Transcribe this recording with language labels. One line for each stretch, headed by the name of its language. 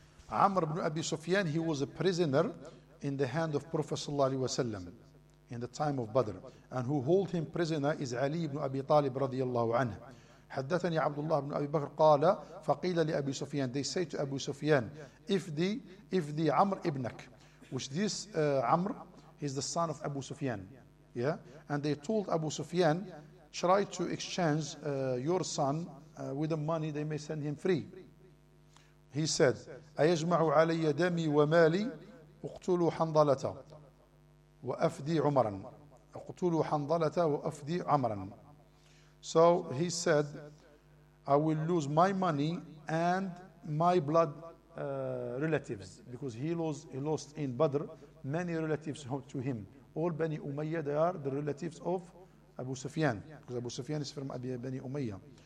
English: Amr ibn Abi Sufyan, he was a prisoner in the hand of Prophet sallallahu alayhi wa sallam in the time of Badr. And who hold him prisoner is Ali ibn Abi Talib radiallahu anhu.
Arabic: حدثني عبد الله بن أبي بكر قال فقيل لأبي سفيان.
English: They say to Abu Sufyan, if the عمر ابنك, which this عمر is the son of Abu Sufyan, yeah, and they told Abu Sufyan, try to exchange your son with the money, they may send him free. He said,
Arabic: أيجمع علي دمي ومالي اقتلوا حنظلة وأفدي عمرا اقتلوا حنظلة وأفدي عمرا.
English: So he said, I will lose my money and my blood relatives, because he lost in Badr many relatives to him. All Bani Umayyah, they are the relatives of Abu Sufyan, because Abu Sufyan is from Bani Umayyah.